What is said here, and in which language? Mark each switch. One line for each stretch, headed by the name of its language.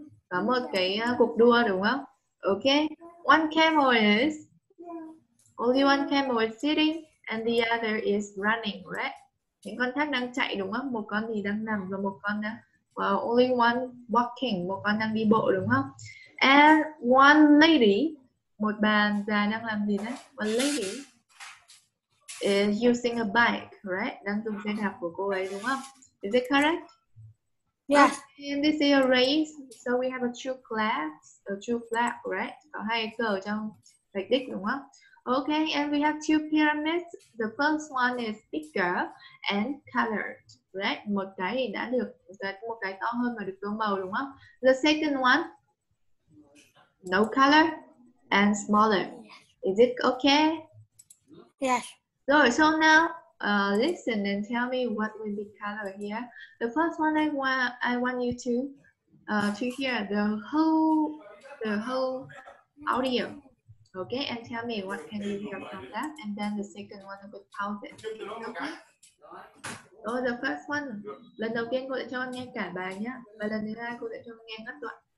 Vietnamese: Và một cái cuộc đua đúng không?
English: Okay. One camel is, only one camel is sitting and the other is running, right?
Vietnamese: Những con khác đang chạy đúng không? Một con thì đang nằm và một con đang,
English: only one walking,
Vietnamese: một con đang đi bộ đúng không?
English: And one lady,
Vietnamese: một bà già đang làm gì đấy?
English: One lady is using a bike, right?
Vietnamese: Đang dùng xe đạp của cô ấy đúng không?
English: Is it correct? Yes. Okay, and this is a race, so we have a true flag, right?
Vietnamese: Có hai cờ trong bạch đích đúng không?
English: Okay, and we have two pyramids. The first one is bigger and colored, right?
Vietnamese: Một cái thì đã được, một cái to hơn mà được tô màu đúng không?
English: The second one, no color and smaller. Is it okay? Yes. Rồi, so now, listen and tell me what will be color here. The first one I want you to hear the whole audio. Okay, and tell me what can you hear from that, and then the second one will pause it. Okay. Oh, the first one.
Vietnamese: Lần đầu tiên cô sẽ cho con nghe cả bài nhé. Và lần thứ hai cô sẽ cho con nghe ngắt đoạn.